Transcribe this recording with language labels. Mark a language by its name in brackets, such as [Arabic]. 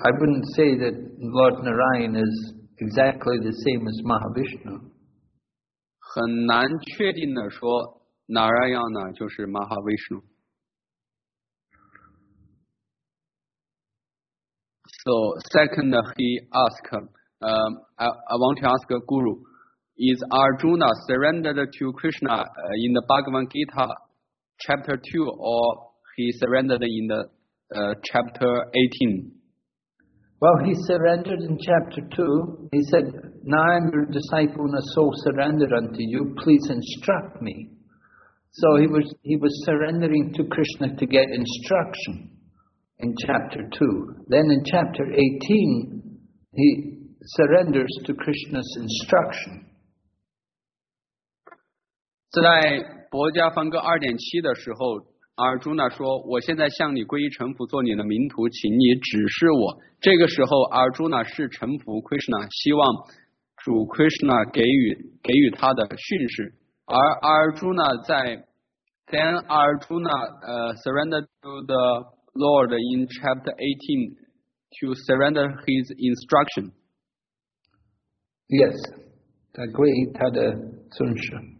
[English] I wouldn't say that Lord Narayana is exactly the same as Mahavishnu. [Chinese] 很难确定的说 ，Narayana 就是 Mahavishnu. [English] So second, he asked. I want to ask a Guru. Is Arjuna surrendered to Krishna in the Bhagavad Gita chapter 2 or he surrendered in the chapter 18? Well, he surrendered in chapter 2. He said, now I'm your disciple and a soul surrendered unto you. Please instruct me. So he was surrendering to Krishna to get instruction in chapter 2. Then in chapter 18, he surrenders to Krishna's instruction. [Chinese] 在薄伽梵歌 2.7 的时候，阿尔朱纳说：“我现在向你皈依臣服，做你的名徒，请你指示我。” 这个时候，阿尔朱纳是臣服 Krishna， 希望主 Krishna 给予他的训示。而阿尔朱纳在 [English] Then Arjuna surrendered to the Lord in chapter 18 to surrender his instruction. Yes, [Chinese] 他皈依他的训示。